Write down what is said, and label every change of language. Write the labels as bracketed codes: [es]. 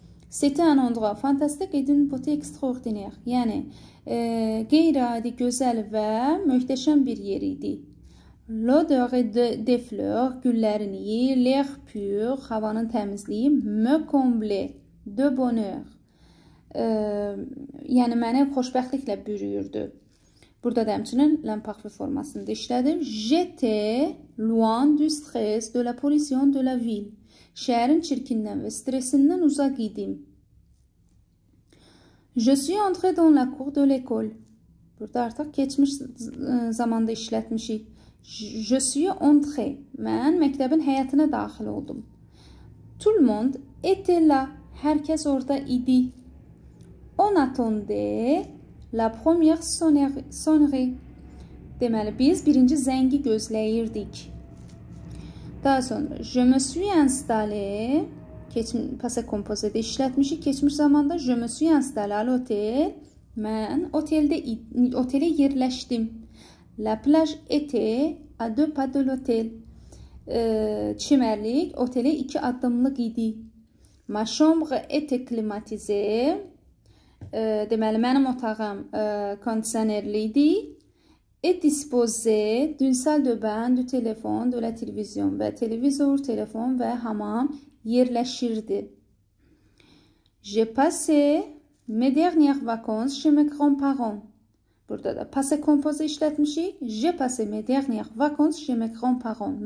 [fr] C'était un endroit fantastique et d'une beauté extraordinaire. [az] Yani gayri-adi, gözəl və möhtəşəm bir yer idi. [fr] L'odeur des fleurs, [az] güllərin iyi, [fr] l'air pur, [az] havanın təmizliyi, [fr] me comblait de bonheur. [az] Yəni məni xoşbəxtliklə bürüyürdü. Burada da həmçinin l'imparfait formasında işlədim. [fr] J'étais loin du stress, de la pollution, de la ville. [az] Şəhərin çirkindən və stresindən uzaq idim. [fr] Je suis entrée dans la cour de l'école. [az] Burada artıq keçmiş zamanda işlətmişik. [fr] Je suis entrée. [az] Mən məktəbin həyatına daxil oldum. [fr] Tout le monde était là. [az] Hər kəs orada idi. [fr] On attendait la première sonnerie. [az] Deməli, biz birinci zəngi gözləyirdik. Daha sonra [fr] je me suis installée. [az] Passé composé-də işlətmişik. Keçmiş zamanda [fr] je me suis installée à l'hôtel. [az] Mən otele yerləşdim. [fr] La plage était à 2 pas de l'hôtel. [az] Çimərlik otele 2 addımlıq idi. [fr] chambre était climatisée. [az] Deməli, mənim otağım kondisionerli idi. [fr] Et disposé d'une salle de bain, du téléphone, de la télévision. [az] Ve televizor, telefon ve hamam yerleşirdi. [fr] J'ai passé mes dernières vacances chez mes grands-parents. [az] Burada da passé composé işlətmişik. [fr] J'ai passé mes dernières vacances chez mes grands-parents.